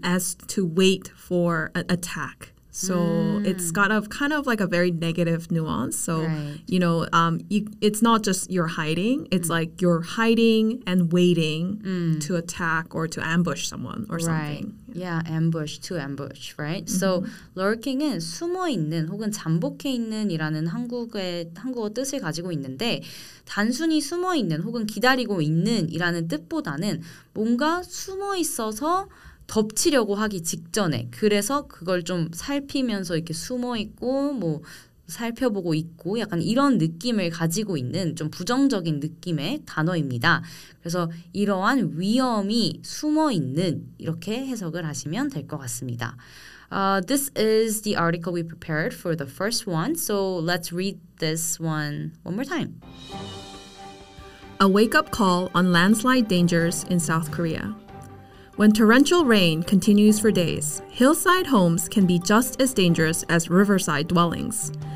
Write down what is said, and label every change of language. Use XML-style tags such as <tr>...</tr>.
<en>as to wait for an attack. So it's got a kind of like a very negative nuance. So, right. you know, it's not just you're hiding. It's like you're hiding and waiting to attack or to ambush someone or something. Right. Ambush, right?</en> <ko>Mm-hmm. So lurking은 숨어있는 혹은 잠복해 있는이라는 한국어 뜻을 가지고 있는데 단순히 숨어있는 혹은 기다리고 있는이라는 뜻보다는 뭔가 숨어있어서 덮치려고 하기 직전에 그래서 그걸 좀 살피면서 이렇게 숨어있고 뭐 살펴보고 있고 약간 이런 느낌을 가지고 있는 좀 부정적인 느낌의 단어입니다. 그래서 이러한 위험이 숨어있는 이렇게 해석을 하시면 될 것 같습니다.</ko> <en>This is the article we prepared for the first one. So let's read this one more time. A wake-up call on landslide dangers in South Korea. When torrential rain continues for days, hillside homes can be just as dangerous as riverside dwellings.</en>